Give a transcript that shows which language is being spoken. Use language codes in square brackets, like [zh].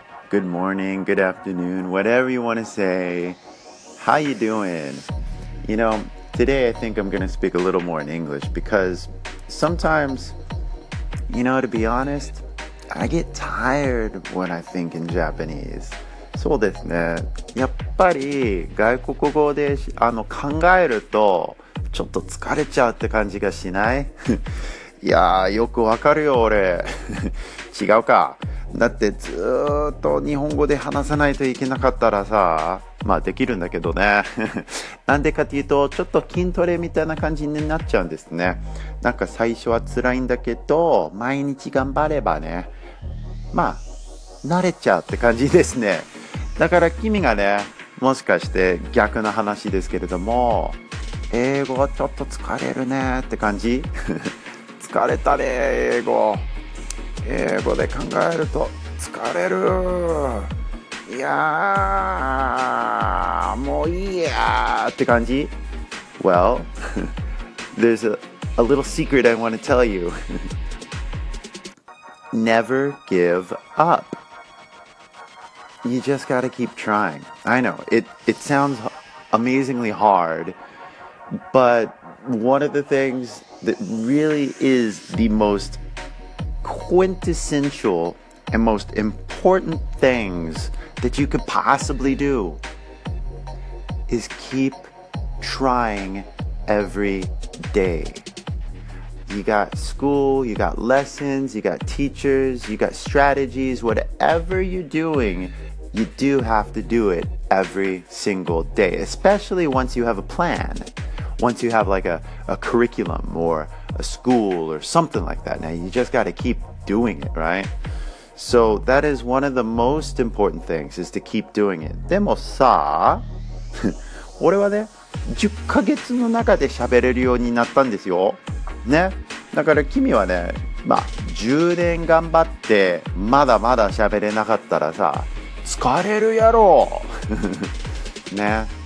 [en] Good morning, good afternoon, whatever you want to say. How you doing? You know, today I think I'm going to speak a little more in English because sometimes, you know, to be honest, I get tired when I think in Japanese. [ja] そうですね、やっぱり外国語で考えるとちょっと疲れちゃうって感じがしない？いやー、よくわかるよ俺。違うか。だってずーっと日本語で話さないといけなかったらさ、まあできるんだけどね。なんでかっていうと、ちょっと筋トレみたいな感じになっちゃうんですね。なんか最初は辛いんだけど、毎日頑張ればね、まあ慣れちゃうって感じですね。だから君がね、もしかして逆の話ですけれども、英語はちょっと疲れるねって感じ。疲れたね、英語。英語で考えると疲れる。いやー、もういいやーって感じ。 [en] Well, there's a little secret I want to tell you. Never give up. You just gotta keep trying. I know, it sounds amazingly hard. But one of the things that really is the most quintessential and most important things that you could possibly do is keep trying every day. You got school, you got lessons, you got teachers, you got strategies, whatever you're doing, you do have to do it every single day, especially once you have a plan. Once you have like a curriculum or a school or something like that, now you just got to keep doing it, right? So that is one of the most important things, is to keep doing it. [ja] でもさ、俺はね、10ヶ月の中で喋れるようになったんですよ。ね、だから君はね、まあ10年頑張ってまだまだ喋れなかったらさ、疲れるやろ。ね。